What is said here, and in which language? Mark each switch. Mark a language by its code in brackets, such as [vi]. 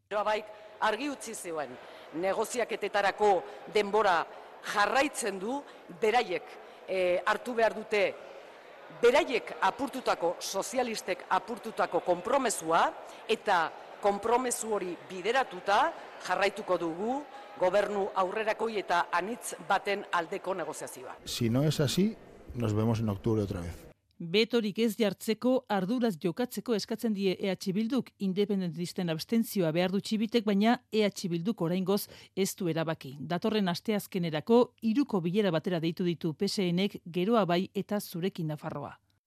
[eu] Geroa baik argi utzi zuen negoziaketetarako denbora jarraitzen du beraiek hartu behar dute beraiek apurtutako, sozialistek apurtutako konpromesua eta konpromesu hori bideratuta jarraituko dugu gobernu aurrerakoi eta anitz baten aldeko negoziazioa. [es] Si no es así, nos vemos en octubre otra vez. [eu] Betorik ez jartzeko, arduraz jokatzeko eskatzen die EH Bilduk, independentisten abstentzioa behar du Txibitek, baina EH Bilduk oraingoz ez du erabaki. Datorren asteazkenerako, hiruko bilera batera deitu ditu PSN-ek geroa bai eta zurekin Nafarroa.